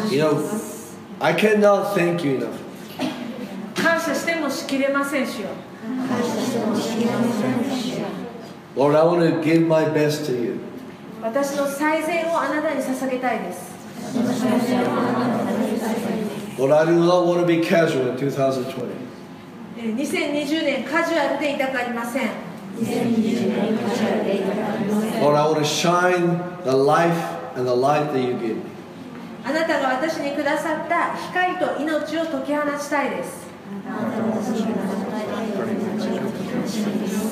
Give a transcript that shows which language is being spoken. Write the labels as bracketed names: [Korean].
[English] You know, I cannot thank you enough. [Japanese] 感謝してもしきれませんしよ。 [English] Lord, I want to give my best to you. [Japanese] 私の最善をあなたに捧げたいです。 [English] Lord, I do not want to be casual in 2020. [Japanese] 2020年カジュアルでいたくありません。 [English] Lord, I want to shine the life and the light that you give me. [Japanese] あなたが私にくださった光と命を解き放ちたいです。あなたが私にくださった光と命を解き放ちたいです。